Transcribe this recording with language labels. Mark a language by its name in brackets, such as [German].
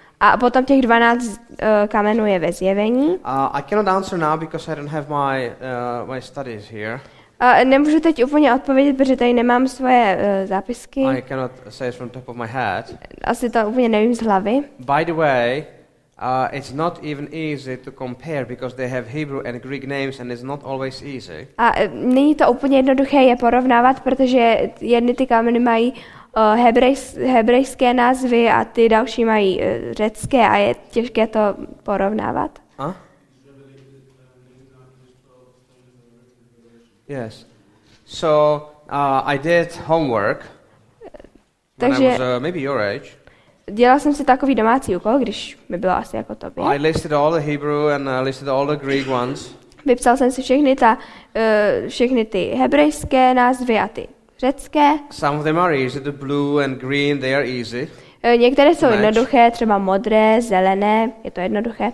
[Czech] A potom těch 12 kamenů je ve Zjevení. [English] I cannot answer now because I don't have my studies here. [Czech] Nemůžu teď úplně odpovědět, protože tady nemám svoje zápisky. [English] I cannot say it from top of my head. [Czech] Asi to úplně nevím z hlavy. [English] By the way, it's not even easy to compare because they have Hebrew and Greek names and it's not always easy. [Czech] A není to úplně jednoduché je porovnávat, protože jedny ty kameny mají hebrejské názvy a ty další mají řecké a je těžké to porovnávat. A? [English] Yes. So, I did homework. [Czech] Takže [English] when I was maybe your age. [Czech] Dělal jsem si takový domácí úkol, když mi bylo asi jako tobě. [English] I listed all the Hebrew and I listed all the Greek ones. [Czech] Vypsal jsem si všechny ty hebrejské názvy a ty řecké. [English] Some of them are easy, the blue and green, they are easy. [Czech] Některé jsou jednoduché, třeba modré, zelené, je to jednoduché.